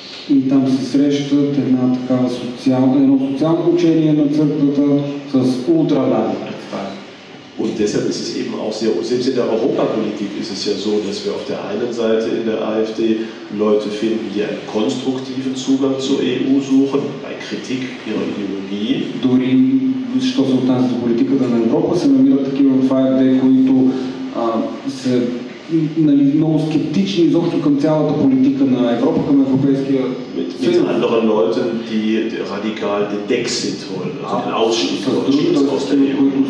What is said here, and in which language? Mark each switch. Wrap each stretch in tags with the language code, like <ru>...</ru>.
<de>Und da trifft eine soziale</de> <bg>Учение</bg> <de>der Kirche mit ultraliberalen Vorstellungen. Und deshalb ist es eben auch sehr, selbst in der Europapolitik ist es ja so, dass wir auf der einen Seite in der AfD Leute finden, die einen konstruktiven Zugang zur EU suchen, bei Kritik ihrer Ideologie.</de> <bg>Дори, що се отнася до политиката на Европа, се намират такива в AfD, които са много скептични изобщо към цялата политика на Европа, към европейския</bg> <de>Mit anderen Leuten, die radikal den Dexit wollen, also den Ausschluss aus der EU.</de>